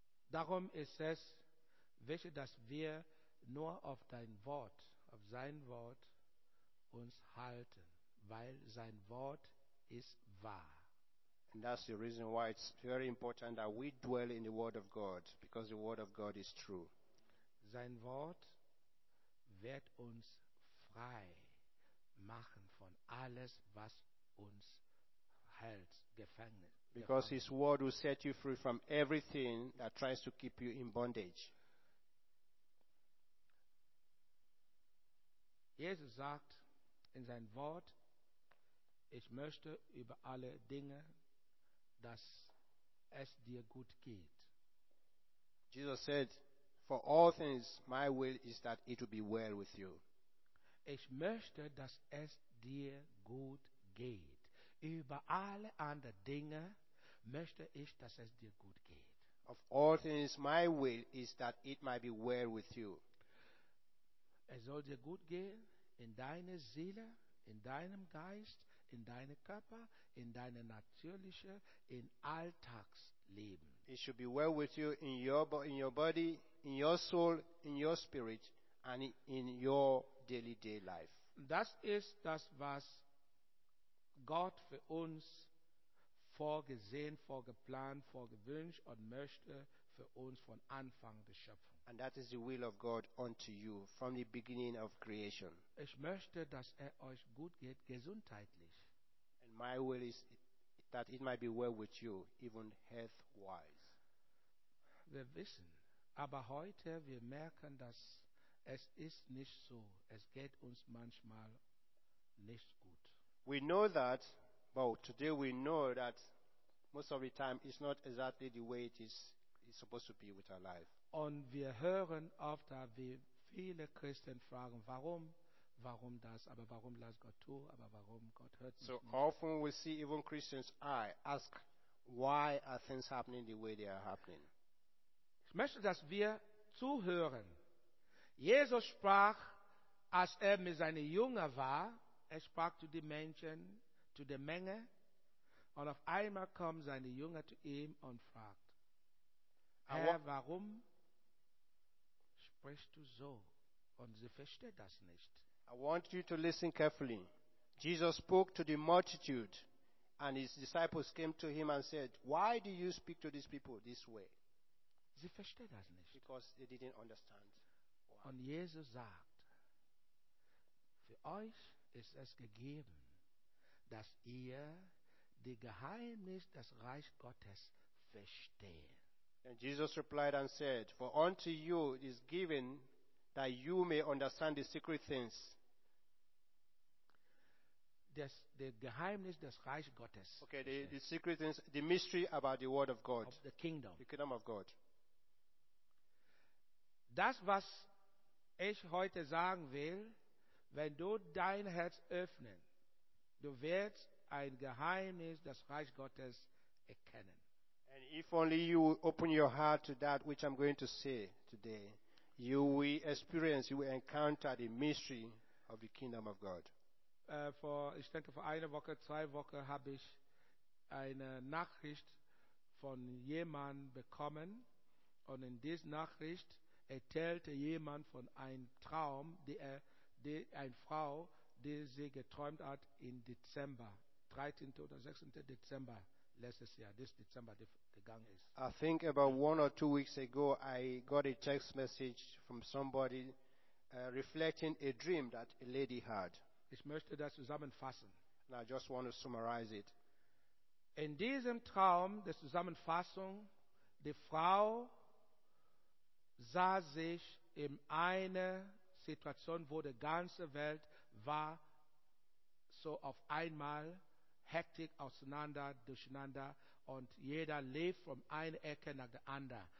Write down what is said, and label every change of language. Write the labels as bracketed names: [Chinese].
[German] Darum ist es wichtig, dass wir nur auf dein Wort, auf sein Wort uns halten. Weil sein Wort is wahr. [English] And that's the reason why it's very important that we dwell in the Word of God, because the Word of God is true. [German] Sein Wort wird uns frei machen von alles, was uns hält, gefangen. [English] Because his word will set you free from everything that tries to keep you in bondage. [German] Jesus sagt in sein Wort, ich möchte über alle Dinge, dass es dir gut geht. [English] Jesus said, for all things, my will is that it will be well with you. [German] Ich möchte, dass es dir gut geht. Über alle anderen Dinge möchte ich, dass es dir gut geht. [English] Of all things, my will is that it might be well with you. [German] Es soll dir gut gehen in deiner Seele, in deinem Geist, in deinem Körper, in deinem natürlichen, in Alltagsleben. [English] It should be well with you in your body, in your soul, in your spirit, and in your day-to-day life. [German] Das ist das, was Gott für uns vorgesehen, vorgeplant, vorgewünscht und möchte für uns von Anfang der Schöpfung. [English] And that is the will of God unto you from the beginning of creation. [German] Ich möchte, dass es euch gut geht, gesundheitlich. [English] And my will is that it might be well with you, even health-wise. [German] Wir wissen, aber heute wir merken, dass es ist nicht so. Es geht uns manchmal nicht gut. [English] We know that, but today we know that most of the time it's not exactly the way it is it's supposed to be with our life. [German] Und wir hören oft, wie viele Christen fragen, warum? Warum das? Aber warum lässt Gott zu? Aber warum Gott hört so nicht? [English] Often we see even Christians I ask, why are things happening the way they are happening? [German] Ich möchte, dass wir zuhören. Jesus sprach, als mit seinen Jüngern war, sprach zu den Menschen, zu der Menge, und auf einmal kommt seine Jünger zu ihm und fragt, Herr, warum sprichst du so? Und sie versteht das nicht. [English] I want you to listen carefully. Jesus spoke to the multitude, and his disciples came to him and said, why do you speak to these people this way? [German] Sie versteht das nicht. [English] Because they didn't understand. Why. [German] Und Jesus sagt, für euch ist es gegeben, dass ihr die Geheimnis des Reich Gottes versteht. [English] And Jesus replied and said, for unto you it is given that you may understand the secret things. [German] Das the Geheimnis des Reich Gottes. [English] Okay, the secret things, the mystery about the word of God. Of the kingdom. The kingdom of God. [German] Das, was ich heute sagen will, wenn du dein Herz öffnest, du wirst ein Geheimnis des Reich Gottes erkennen. [English] And if only you open your heart to that which I'm going to say today, you will experience, you will encounter the mystery of the kingdom of God. [German] Ich denke, vor einer Woche, zwei Wochen habe ich eine Nachricht von jemandem bekommen, und in dieser Nachricht erzählte jemand von einem Traum, eine Frau, die sie geträumt hat im Dezember, 13. oder 16. Dezember letztes Jahr, dieses Dezember gegangen ist. [English] I think about one or two weeks ago, I got a text message from somebody reflecting a dream that a lady had. [German] Ich möchte das zusammenfassen. [English] And I just want to summarize it. [German] In diesem Traum, der Zusammenfassung, die Frau sah sich in einer Situation, wo die ganze Welt war so auf einmal hektik auseinander, durcheinander, und jeder lief von einer Ecke nach der anderen.